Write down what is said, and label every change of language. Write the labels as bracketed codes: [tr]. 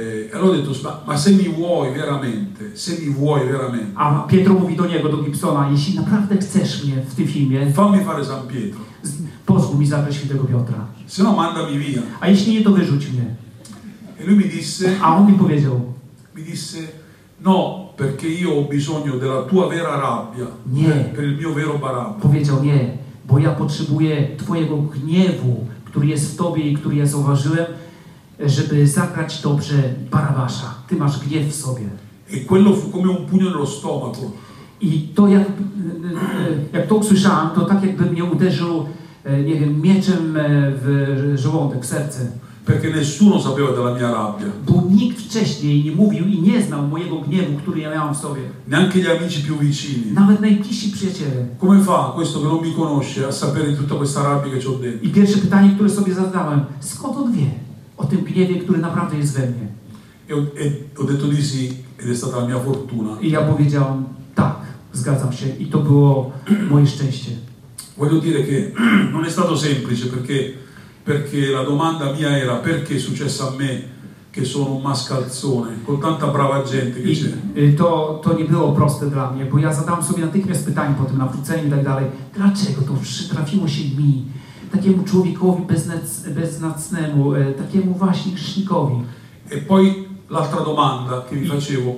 [it] Allora ho detto, ma se mi vuoi veramente, se mi vuoi veramente. [pl] A Pietro mówi do niego, do Gibsona, jeśli naprawdę chcesz mnie w tym filmie, [it] fammi fare San Pietro. [pl] Pozwól mi zabrać świętego Piotra. [it] Se no, mandami via. [pl] A jeśli nie, to wyrzuć mnie. [it] E lui mi disse, [pl] a on mi powiedział, [it] mi disse, no, perché io ho bisogno della tua vera rabbia, [pl] nie, [it] per il mio vero Barabba. [pl] Powiedział, nie, bo ja potrzebuję twojego gniewu, który jest w tobie i który ja zauważyłem, żeby zagrać dobrze Barabasza. Ty masz gniew w sobie. [it] E quello fu come un pugno nello stomaco. [pl] I to jak to usłyszałem, to tak jakby mnie uderzył, nie wiem, mieczem w żołądek, w serce. [it] Perché nessuno sapeva della mia rabbia. [pl] Bo nikt wcześniej nie mówił i nie znał mojego gniewu, który ja miałem w sobie. [it] Neanche gli amici più vicini. [pl] Nawet najbliżsi przyjaciele. [it] Come fa questo che non mi conosce a sapere tutta questa rabbia che c'ho dentro? [pl] I pierwsze pytanie, które sobie zadałem, skąd on wie o tym gniewie, który naprawdę jest we mnie? [it] E ho detto di sì, ed è stata la mia fortuna. [pl] I ja powiedziałem, tak, zgadzam się, i to było moje szczęście. [it] Voglio dire che non è stato semplice, perché la domanda mia era perché è successo a me che sono un mascalzone con tanta brava gente che c'è. [pl] To nie było proste dla mnie, bo ja zadałem sobie natychmiast pytanie po tym nawróceniu i tak dalej. Dlaczego to przytrafiło się mi, takiemu człowiekowi beznacnemu, takiemu właśnie grzesznikowi? [it] E poi l'altra domanda che mi facevo.